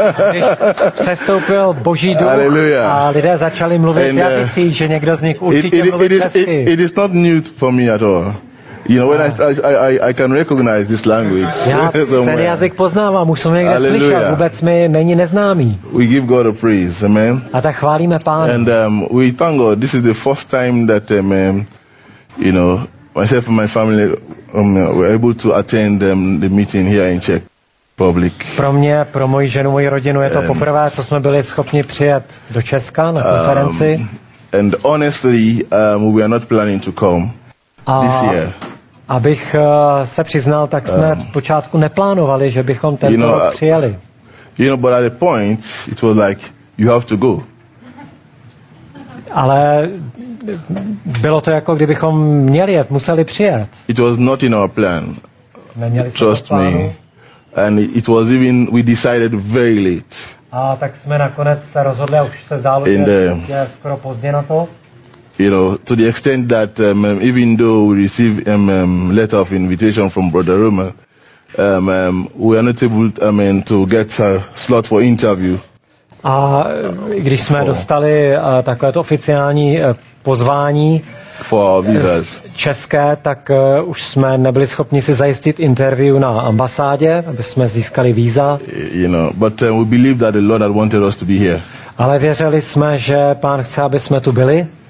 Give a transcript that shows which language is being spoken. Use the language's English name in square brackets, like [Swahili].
[Czech] Když přestoupil Boží duch, Alleluia, a lidé začali mluvit v jazyce, že někdo z nich určitě mluví česky. [English] It is not new for me at all. You know, when I can recognize this language. [Czech] Já ten jazyk poznávám, už jsem někde slyšel, vůbec mi není neznámý. [English] We give God a praise, amen. [Czech] A tak chválíme Pán. [English] And we thank God. This is the first time that myself and my family were able to attend the meeting here in Czech Republic. [Czech] Pro mě, pro moji ženu, moji rodinu je to poprvé, co jsme byli schopni přijet do Česka na konferenci. [English] And honestly, we are not planning to come. [Czech] A abych se přiznal, tak jsme v počátku neplánovali, že bychom tento rok přijeli. [English] But at the point, it was like, you have to go. [Czech] Ale bylo to jako, kdybychom měli jet, museli přijet. [English] It was not in our plan. [Czech] Neměli [English] trust me. And it was even, we decided very late. [Czech] A tak jsme nakonec se rozhodli, a už se zdálo, že je skoro pozdě na to. [English] You know, to the extent that even though we receive a letter of invitation from Brother Roma, we are not able, to get a slot for interview. [Czech] A když jsme dostali takovéto oficiální pozvání [English] for our visas [Czech] české, tak už jsme nebyli schopni si zajistit interview na ambasádě, aby jsme získali víza. [English] You know, but we believe that the Lord had wanted us to be here. [Czech] Ale věřili jsme, že Pán chce, aby jsme tu byli.